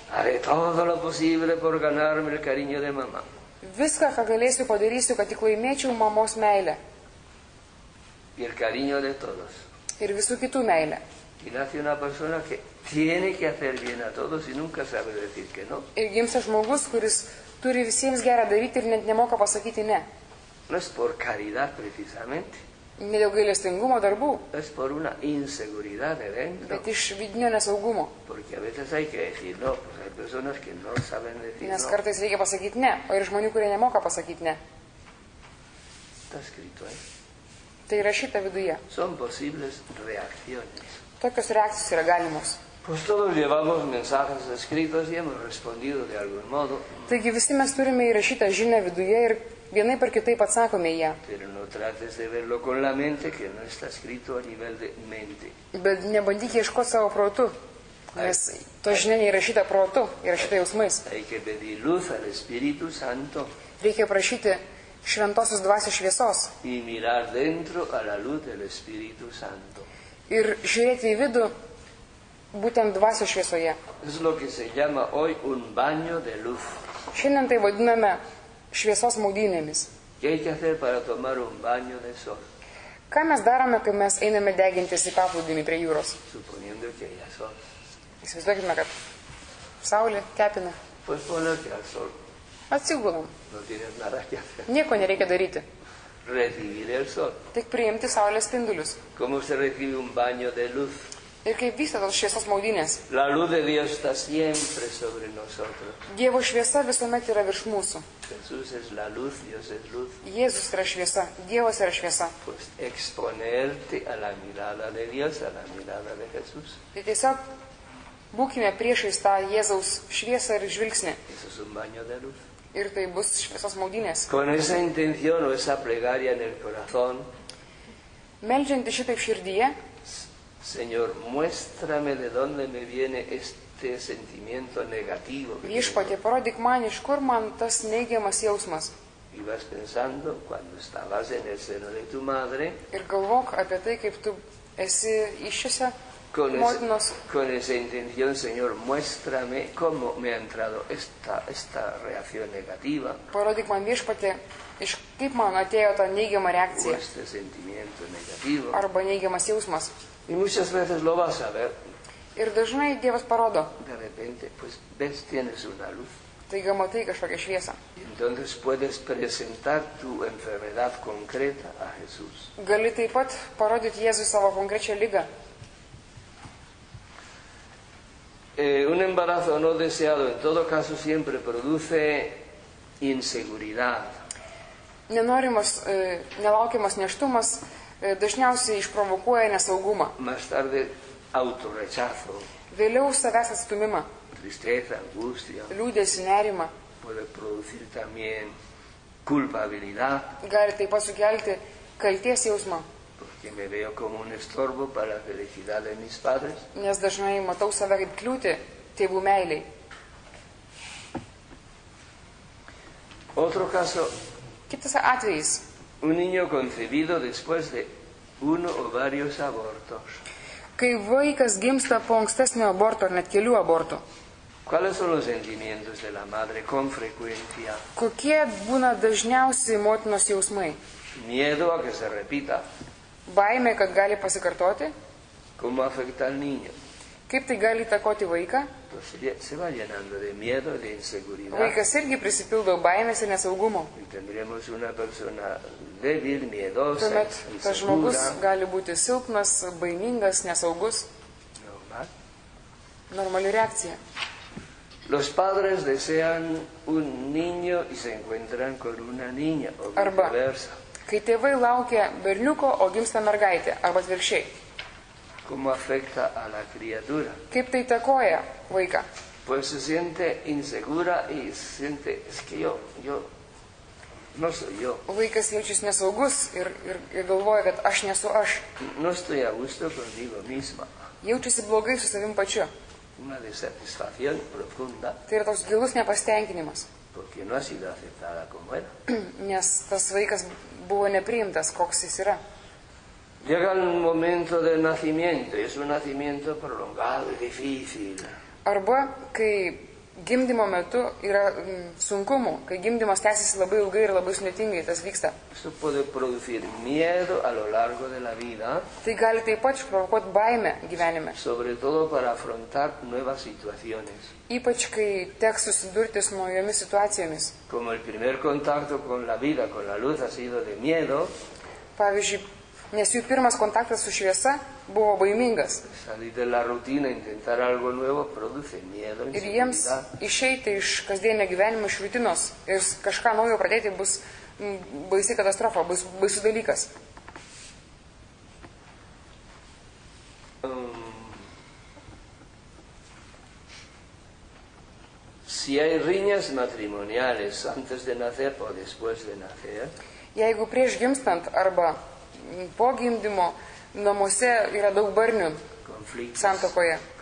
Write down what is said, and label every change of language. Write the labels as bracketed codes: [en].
[es] haré todo lo posible por ganarme el cariño de mamá. [lt] Viską, ką galėsiu, padarysiu, kad tik laimėčiau mamos meilę. [es] Y el cariño de todos. [lt] Ir visų kitų meilę. [es] Y nace una persona que tiene que hacer bien a todos y nunca sabe decir que no. [lt] Ir gimsta žmogus, kuris turi visiems gerą daryti ir net nemoka pasakyti ne. [es] No es por caridad precisamente. [lt] Ne dėl gailestingumo darbų. [es] Es por una inseguridad de dentro. [lt] Bet iš vidinio nesaugumo. [es] Porque a veces hay que decir no, pues hay personas que no saben decir no. [lt] Nes kartais reikia pasakyti ne, o ir žmonių, kurie nemoka pasakyti ne. [es] Está escrito, ¿eh? [lt] Tai rašyta viduje. [es] Son posibles reacciones. [lt] Tokios reakcijos yra galimos. [es] Pues todos llevamos mensajes escritos y hemos respondido de algún modo. [lt] Taigi visi mes turime įrašytą žinę viduje ir vienai per kitaip atsakome ją. [es] Pero no trates de verlo con la mente, que no está escrito a nivel de mente. [lt] Bet nebandyk ieškoti savo protu, nes to žinia neįrašyta protu, įrašyta jausmais. [es] Hay que pedir luz al Espíritu Santo. [lt] Reikia prašyti šventosios dvasios šviesos. [es] Y mirar dentro a la luz del Espíritu Santo. [lt] Ir žiūrėti į vidų būtent dvasios šviesoje. [es] Es lo que se llama hoy un baño de luz. [lt] Šiandien tai vadiname šviesos maudynėmis. [es] ¿Qué hay que hacer para tomar un baño de sol? [lt] Ką mes darome, kai mes einame degintis į paplūdimį prie jūros? [es] Suponiendo que hay sol. [lt] Įsivaizduokime, kad saulė kepina. [es] Pues ponerte al sol. [lt] Atsigulam. [es] No tienes nada que hacer. [lt] Nieko nereikia daryti. [es] Recibir el sol. [lt] Tik priimti saulės spindulius. [es] ¿Cómo se recibe un baño de luz? [lt] Ir kaip vyksta tos šviesos maudynės? [es] La luz de Dios está siempre sobre nosotros. [lt] Dievo šviesa visuomet yra virš mūsų. [es] Jesús es la luz, Dios es luz. [lt] Jėzus yra šviesa, Dievas yra šviesa. [es] Pues exponerte a la mirada de Dios, a la mirada de Jesús. [lt] Tai tiesiog būkime priešais tą Jėzaus šviesą ir žvilgsnį. [es] Eso es un baño de luz. [lt] Ir tai bus šviesos maudynės. [es] Con esa intención o esa plegaria en el corazón. [lt] Meldžiantis šitaip širdyje. [es] Señor, muéstrame de dónde me viene este sentimiento negativo. [lt] Viešpatie, parodyk man, iš kur man tas neigiamas jausmas. [es] Y vas pensando cuando estabas en el seno de tu madre. [lt] Ir galvok apie tai, kaip tu esi išiose motinos. [es] Con esa intención, Señor, muéstrame cómo me ha entrado esta reacción negativa. [lt] Parodyk man, viešpatie, iš kaip man atėjo ta neigiama reakcija. [es] O este sentimiento negativo. [lt] Arba neigiamas jausmas. [es] Y muchas veces lo vas a ver. [lt] Ir dažnai Dievas parodo. [es] De repente, pues ves, tienes una luz. [lt] Taigi matai kažkokią šviesą. [es] Y entonces puedes presentar tu enfermedad concreta a Jesús. [lt] Gali taip pat parodyti Jėzui savo konkrečią ligą. [es] Un embarazo no deseado, en todo caso, siempre produce inseguridad. [lt] Nenorimas, nelaukiamas neštumas. Dažniausiai išprovokuoja nesaugumą. [es] Más tarde, autorrechazo. [lt] Vėliau savęs atstumimą. [es] Tristeza, angustia. [lt] Liūdesį, nerimą. [es] Puede producir también culpabilidad. [lt] Gali taip pat sukelti kaltės jausmą. [es] Porque me veo como un estorbo para la felicidad de mis padres. [lt] Nes dažnai matau save kaip kliūtį tėvų meiliai. [es] Otro caso. [lt] Kitas atvejis. [es] Un niño concebido después de uno o varios abortos. [lt] Kai vaikas gimsta po ankstesnio aborto ar net kelių abortų. [es] ¿Cuáles son los sentimientos de la madre con frecuencia? [lt] Kokie būna dažniausiai motinos jausmai? [es] Miedo a que se repita. [lt] Baimė, kad gali pasikartoti. [es] ¿Cómo afecta al niño? [lt] Kaip tai gali įtakoti vaiką? [es] Se va llenando de miedo, de inseguridad. [lt] Vaikas irgi prisipildo baimės ir nesaugumo. [es] Y tendremos una persona débil, miedosa, insegura. [lt] Tuomet tas žmogus gali būti silpnas, baimingas, nesaugus. [es] Normal. [lt] Normali reakcija. [es] Los padres desean un niño y se encuentran con una niña, o viceversa. [lt] Kai tėvai laukia berniuko, o gimsta mergaitė, arba atvirkščiai. [es] ¿Cómo afecta a la criatura? [lt] Kaip tai takoja vaiką? [es] Pues se siente insegura y se siente, es que yo no soy yo. [lt] Vaikas jaučiasi nesaugus ir galvoja, kad aš nesu aš. [es] No estoy a gusto conmigo misma. [lt] Jaučiasi blogai su savim pačiu. [es] Una desatisfacción profunda. [lt] Tai yra toks gilus nepasitenkinimas. [es] Porque no ha sido aceptada como era. [lt] Nes tas vaikas buvo nepriimtas, koks jis yra. [es] Llega el momento del nacimiento, es un nacimiento prolongado y difícil. [lt] Arba, kai gimdymo metu yra sunkumų, kai gimdymas tęsiasi labai ilgai ir labai sunėtingai, tas vyksta. [es] Esto puede producir miedo a lo largo de la vida. [lt] Tai gali taip pat išprovokuoti baimę gyvenime. [es] Sobre todo para afrontar nuevas situaciones. [lt] Ypač, kai teks susidurti su naujomis situacijomis. [es] Como el primer contacto con la vida, con la luz, ha sido de miedo. [lt] Pavyzdžiui, nes jų pirmas kontaktas su šviesa buvo baimingas. Ir jiems išeiti iš kasdienio gyvenimo, iš rutinos ir kažką naujo pradėti bus baisi katastrofa, bus baisus dalykas. [es] Si hay riñas matrimoniales antes de nacer o después de nacer. [lt] Jeigu prieš gimstant arba po gimdymo namuose yra daug barnių santokoje.